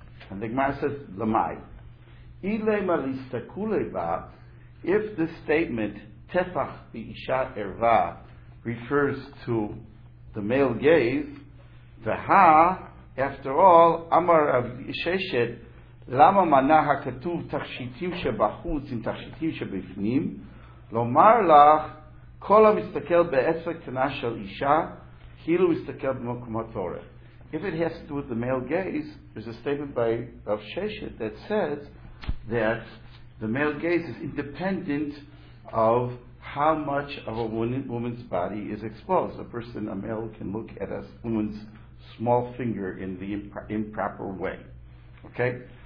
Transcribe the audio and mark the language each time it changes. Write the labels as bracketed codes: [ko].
[en] And the Gemara says, Lamai. [arc] Ile malista kuleva, [en] if this statement, tefach b'isha erva, refers to the male gaze, v'ha, after all, amar av sheshet, [he] למה מנה הכתוב תכשיטים שבחוץ עם תכשיטים שבפנים? לומר לך, כל המסתכל בעצבה קטנה של אישה, כאילו מסתכל במקום התורה. [en] If it has to do with the male gaze, there's a statement by Rav Sheshet that says that the male gaze is independent of how much of a woman's body is exposed. A male can look at a woman's small finger in the improper way. Okay?